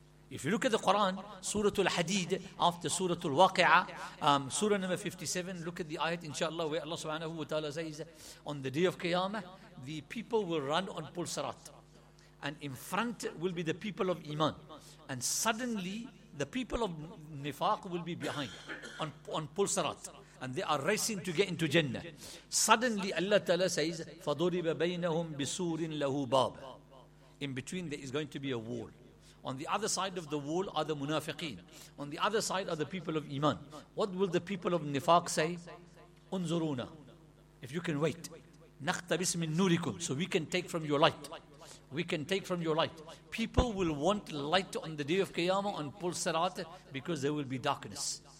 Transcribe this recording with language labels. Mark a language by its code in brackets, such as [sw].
[en] If you look at the Quran, Surah Al-Hadid, after Surah Al-Waqi'ah, Surah number 57, look at the ayat, inshallah, where Allah subhanahu wa ta'ala says, on the day of Qiyamah, the people will run on Pulsarat. And in front will be the people of iman. And suddenly, the people of nifaq will be behind on Pulsarat. And they are racing to get into Jannah. Suddenly Allah Ta'ala says, [ar] فَضُرِبَ بَيْنَهُمْ بِسُورٍ لَهُ بَابٍ. [en] In between there is going to be a wall. On the other side of the wall are the munafiqeen. On the other side are the people of iman. What will the people of nifaq say? Unzuruna. If you can wait. [ar] نَقْتَبِسْ مِنْ نُورِكُمْ. [en] So we can take from your light. We can take from your light. People will want light on the day of Qiyamah on Pulsarat because there will be darkness.